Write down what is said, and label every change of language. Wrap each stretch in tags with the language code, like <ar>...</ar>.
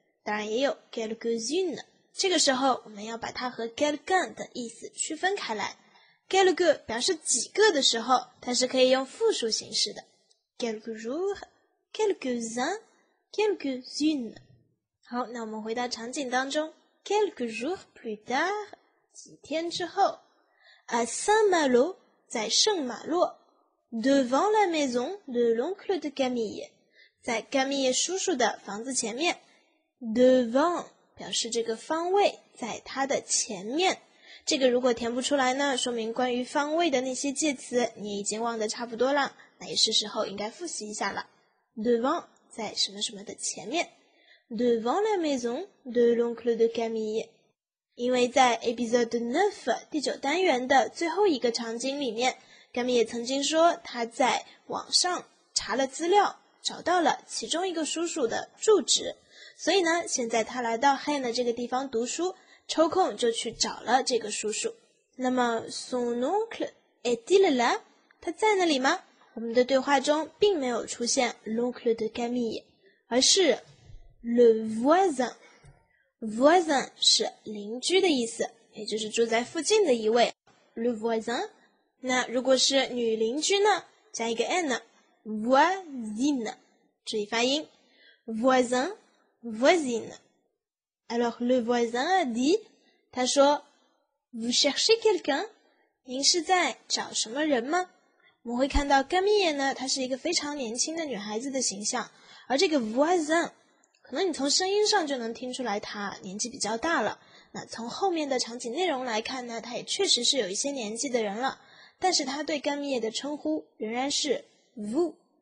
<zh>当然也有 quelques-une。这个时候我们要把它和 quelqu'un 的意思区分开来。 quelque 表示几个的时候，它是可以用复数形式的。</zh> <fr>quelques jours, quelques-uns, quelques-une。</fr> <zh>好，那我们回到场景当中。</zh> <fr>quelques jours plus tard,</fr> <zh>几天之后。</zh> <fr>À Saint-Malo,</fr> <zh>在圣马洛。</zh> <fr>Devant la maison de l'oncle de Camille,</fr> <zh>在 Camille 叔叔的房子前面。 Devant,表示这个方位在它的前面，这个如果填不出来呢，说明关于方位的那些介词你已经忘得差不多了，那也是时候应该复习一下了。</zh> <fr>devant</fr> <zh>在什么什么的前面，</zh> <fr>devant la maison de l'oncle de Camille。</fr> <zh>因为在 episode 9第九单元的最后一个场景里面， Camille 曾经说他在网上查了资料，找到了其中一个叔叔的住址，所以呢，现在他来到 Hen 的这个地方读书，抽空就去找了这个叔叔。那么</zh> <fr>son oncle est-il là?</fr> <zh>他在那里吗？我们的对话中并没有出现</zh> <fr>l'oncle de Camille,</fr> <zh>而是</zh> <fr>le voisin。</fr> <zh>voisin 是邻居的意思，也就是住在附近的一位。</zh> <fr>le voisin,</fr> <zh>那如果是女邻居呢，加一个 n, voisine, 注意发音 voisinVoisine.</zh> <fr>Alors, le voisin a dit,</fr> <zh>他说</zh> <fr>Vous cherchez quelqu'un?</fr> <zh>您是在找什么人吗？我们会看到 Camille 呢，她是一个非常年轻的女孩子的形象，而这个 voisin, 可能你从声音上就能听出来她年纪比较大了。那从后面的场景内容来看呢，她也确实是有一些年纪的人了，但是她对 Camille 的称呼仍然是 vous。</zh>